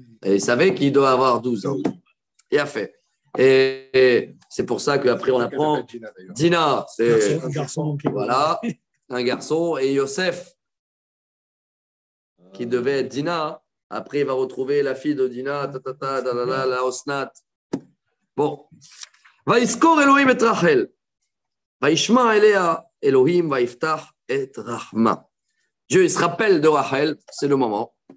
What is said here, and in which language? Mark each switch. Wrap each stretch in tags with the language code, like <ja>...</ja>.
<fr>Et il savait qu'il doit avoir 12 ans. Il a fait. Et c'est pour ça qu'après, on apprend Dina. C'est un garçon. Voilà, un garçon. Et Yosef, qui devait être Dina. Après, il va retrouver la fille de Dina, la Osnat. Bon.</fr> <he>ויזכור אלוהים את רחל, וישמע אליה אלוהים ויפתח את רחמה.</he> <fr>Dieu se rappelle de Rachel, c'est le moment.</fr>